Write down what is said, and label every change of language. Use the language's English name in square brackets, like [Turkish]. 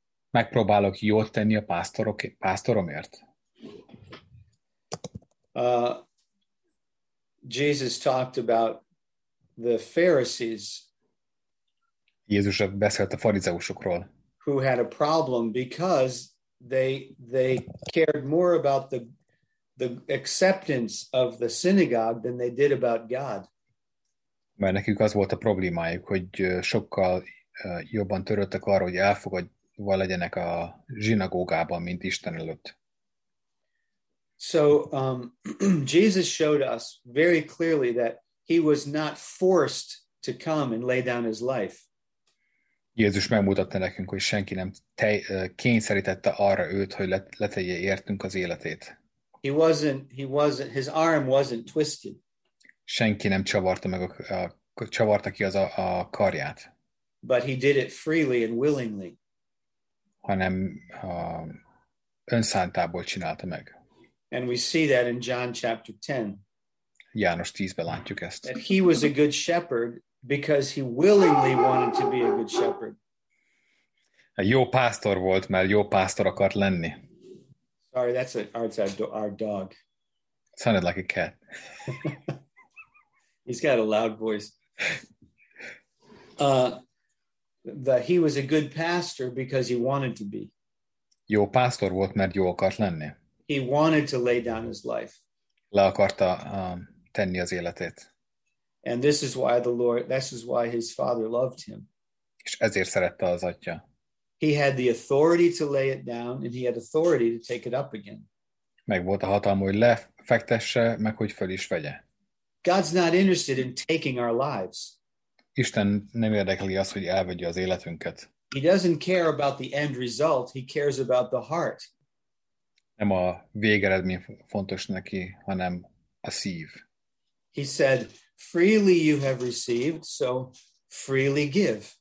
[Hungarian] Megpróbálok jót tenni a pásztoromért. [English] Jesus talked about the Pharisees. [Hungarian] Jézus beszélt a farizeusokról. [English] Who had a problem because they cared more about the acceptance of the synagogue than they did about God. [Hungarian] Mert nekik az volt a problémájuk, hogy sokkal jobban törődtek arra, hogy elfogadva legyenek a zsinagógában, mint Isten előtt. [English] So Jesus showed us very clearly that he was not forced to come and lay down his life. [Hungarian] Jézus megmutatta nekünk, hogy senki nem kényszerítette arra őt, hogy letegye értünk az életét. [English] His arm wasn't twisted. [Hungarian] Senki nem csavarta ki az a karját. [English] But he did it freely and willingly. [Hungarian] Hanem önszántából csinálta meg. [English] And we see that in John chapter 10. [Hungarian] János 10-ben látjuk ezt. [English] That he was a good shepherd because he willingly wanted to be a good shepherd. [Hungarian] A jó pásztor volt, mert jó pásztor akart lenni. [English] Sorry, that's our dog. Sounded like a cat. He's got a loud voice. That he was a good pastor because he wanted to be. [Hungarian] Jó pásztor volt, mert jó akart lenni. [English] He wanted to lay down his life. [Hungarian] Le akarta tenni az életét. [English] And this is why this is why his father loved him. [Hungarian] És ezért szerette az atya. [English] He had the authority to lay it down and he had authority to take it up again. [Hungarian] Meg volt a hatalma, hogy lefektesse, meg hogy föl is vegye. [English] God's not interested in taking our lives. [Hungarian] Isten nem érdekli az, hogy elvegye az életünket. [English] He doesn't care about the end result, he cares about the heart. [Hungarian] Nem a végeredmény fontos neki, hanem a szív. [English] He said, freely you have received, so freely give.